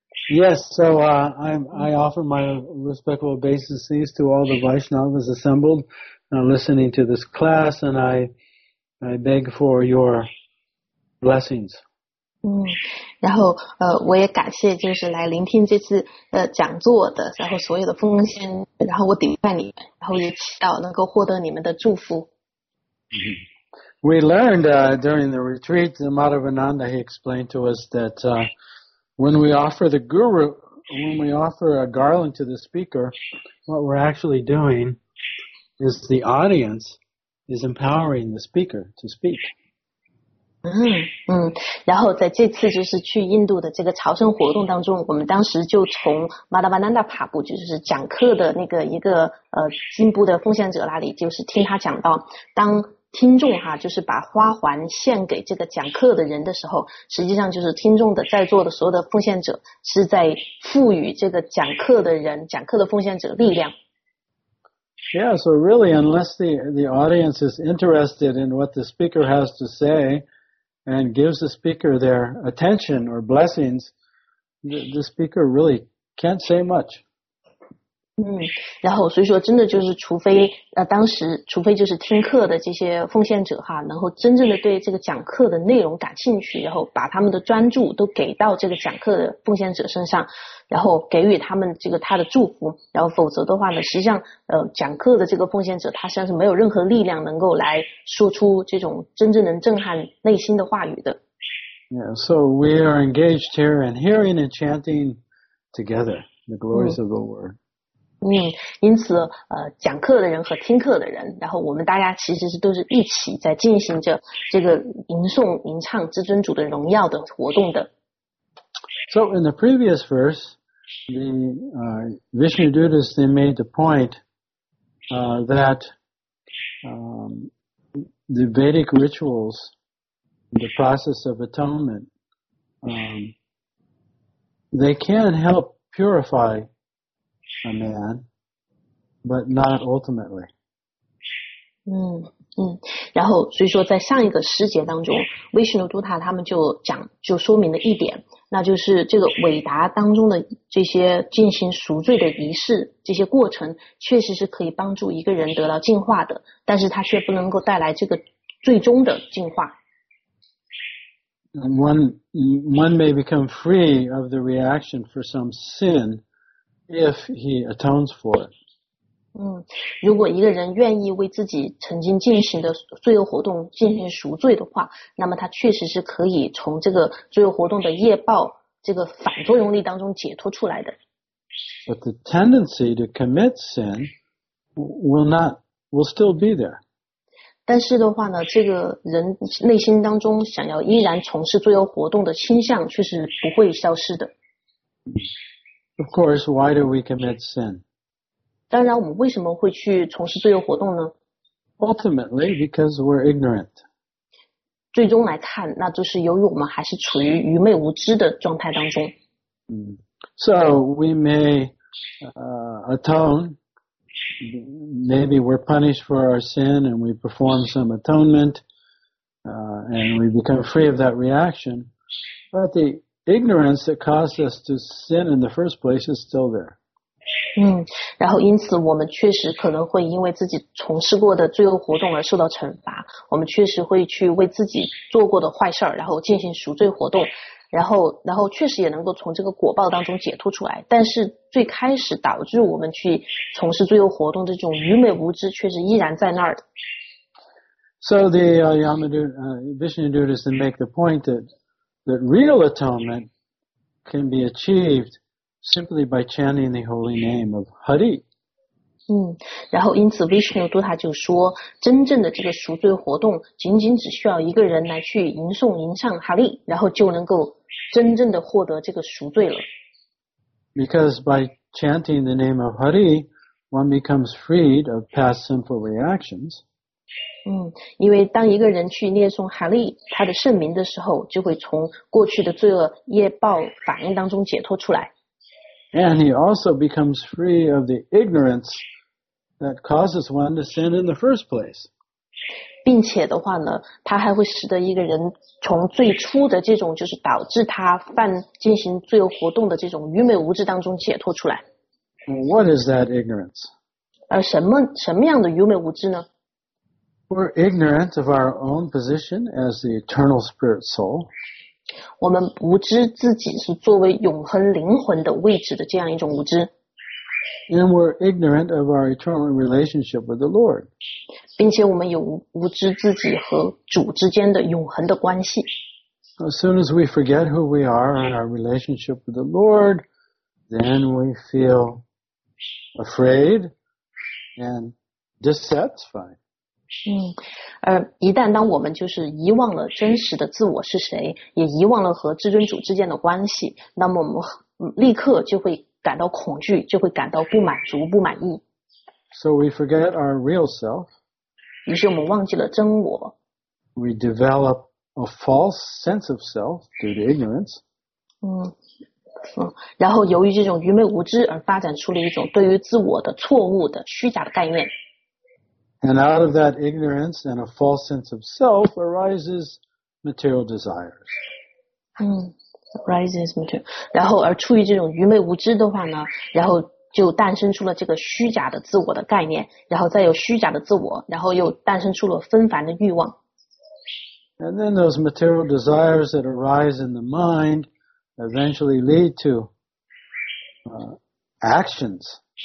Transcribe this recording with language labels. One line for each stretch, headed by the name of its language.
English: Yes, so I offer my respectful obeisances to all the Vaishnavas assembled listening to this class, and I beg for your blessings.
Chinese: 嗯，然后我也感谢就是来聆听这次讲座的，然后所有的奉献，然后我顶拜你们，然后也祈祷能够获得你们的祝福。
English: We learned during the retreat, Madhavananda, he explained to us that when we offer the guru, when we offer a garland to the speaker, what we're actually doing is the audience is empowering the speaker to speak.
Chinese: 然后在这次就是去印度的这个朝圣活动当中，我们当时就从 Madhavananda Prabhu 就是讲课的那个一个进步的奉献者那里，就是听他讲到当听众哈，就是把花环献给这个讲课的人的时候，实际上就是听众的在座的所有的奉献者是在赋予这个讲课的人、讲课的奉献者力量。
English: Yeah, so really, unless the audience is interested in what the speaker has to say and gives the speaker their attention or blessings, the speaker really can't say much.
Chinese: 嗯，然后所以说真的就是除非当时除非就是听课的这些奉献者哈，能够真正的对这个讲课的内容感兴趣，然后把他们的专注都给到这个讲课的奉献者身上，然后给予他们这个他的祝福，然后否则的话呢，实际上讲课的这个奉献者他实际上是没有任何力量能够来说出这种真正能震撼内心的话语的。
English: Yeah, so we are engaged here in hearing and chanting together the glories of the Lord.
Chinese: 因此讲课的人和听课的人，然后我们大家其实是都是一起在进行着这个吟诵吟唱至尊主的荣耀的活动的。
English: So in the previous verse, the Vishnudutas, they made the point that the Vedic rituals, the process of atonement, they can help purify a man, but not ultimately.
Chinese: 然后所以说在上一个诗节当中 ,Vishnudutta 他们就讲就说明了一点，那就是这个韦达当中的这些进行赎罪的仪式，这些过程确实是可以帮助一个人得到净化的，但是他却不能够带来这个最终的净化。
English: One may become free of the reaction for some sin if he atones for it.
Chinese: 如果一个人愿意为自己曾经进行的罪恶活动进行赎罪的话，那么他确实是可以从这个罪恶活动的业报这个反作用力当中解脱出来的。
English: But the tendency to commit sin will still be there.
Chinese: 但是的话呢，这个人内心当中想要依然从事罪恶活动的倾向却是不会消失的。
English: Of course, why do we commit sin?
Chinese: 当然，我们为什么会去从事罪恶活动呢？
English: Ultimately, because we're ignorant.
Chinese: 最终来看，那就是由于我们还是处于愚昧无知的状态当中。
English: So we may atone. Maybe we're punished for our sin and we perform some atonement, and we become free of that reaction. But the ignorance that caused us to sin in the first place is still there.
Chinese: 然后因此我们确实可能会因为自己从事过的罪恶活动而受到惩罚，我们确实会去为自己做过的坏事然后进行赎罪活动，然后确实也能够从这个果报当中解脱出来，但是最开始导致我们去从事罪恶活动的这种愚昧无知确实依然在那儿的。
English: So the Vishnudutas make the point that real atonement can be achieved simply by chanting the holy name of Hari.
Chinese: 然后因此 Vishnudutta 就说，真正的这个赎罪活动仅仅只需要一个人来去吟诵吟唱 Hari， 然后就能够真正的获得这个赎罪了。
English: Because by chanting the name of Hari, one becomes freed of past sinful reactions.
Chinese: 因为当一个人去念诵哈利他的圣名的时候，就会从过去的罪恶业报反应当中解脱出来。
English: And he also becomes free of the ignorance that causes one to sin in the first place.
Chinese: 并且的话呢，他还会使得一个人从最初的这种就是导致他犯进行罪恶活动的这种愚昧无知当中解脱出来。
English: What is that ignorance?
Chinese: 而什么样的愚昧无知呢？
English: We're ignorant of our own position as the eternal spirit soul.
Chinese: 我们无知自己是作为永恒灵魂的位置的这样一种无知。
English: And we're ignorant of our eternal relationship with the Lord.
Chinese: 并且我们有无知自己和主之间的永恒的关系。
English: As soon as we forget who we are and our relationship with the Lord, then we feel afraid and dissatisfied.
Chinese: 一旦当我们就是遗忘了真实的自我是谁，也遗忘了和至尊主之间的关系，那么我们立刻就会感到恐惧，就会感到不满足不满意。
English: So we forget our real self.
Chinese: 于是我们忘记了真我。
English: We develop a false sense of self due to ignorance.
Chinese: 然后由于这种愚昧无知而发展出了一种对于自我的错误的虚假的概念。
English: And out of that ignorance and a false sense of self arises material desires. Rises material.
Chinese: 然后而出于这种愚昧无知的话呢，然后就诞生出了这个虚假的自我的概念，然后再有虚假的自我，然后又诞生出了纷繁的欲望。
English: And then those material desires that arise in the mind eventually lead to actions.